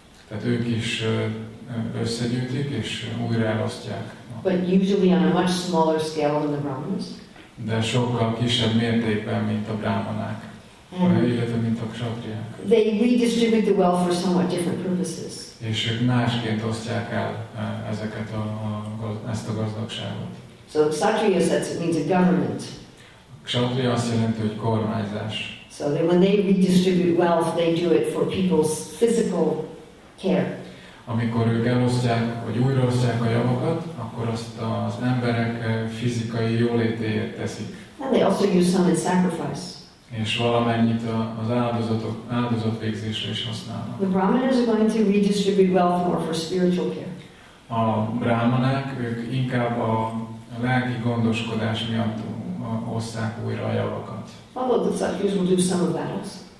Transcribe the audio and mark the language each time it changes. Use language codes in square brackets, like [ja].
[hu] Tehát ők is összegyűjtik és újra elosztják. [en] But usually on a much smaller scale than the Brahmins. [hu] De sokkal kisebb mértékben, mint a brahmanák, illetve mint a kshatriák. [en] They redistribute the wealth for somewhat different purposes. [hu] És ők másként osztják el ezeket ezt a gazdagságot. [en] So kshatriya means a government. [hu] Kshatriya azt jelenti, hogy kormányzás. [en] So that when they redistribute wealth, they do it for people's physical care. [hu] Amikor ők elosztják, vagy újraosztják a javakat, akkor azt az emberek fizikai jólétéért teszik. [en] And they also use some in sacrifice. [hu] És valamennyit az áldozat végzésre is használnak. [en] The brahmanas are going to redistribute wealth more for spiritual care. [hu] A brahmanák, ők inkább a lelki gondoskodás miatt osztják újra a javakat. [en] Although the kshatriyas will do some of that also.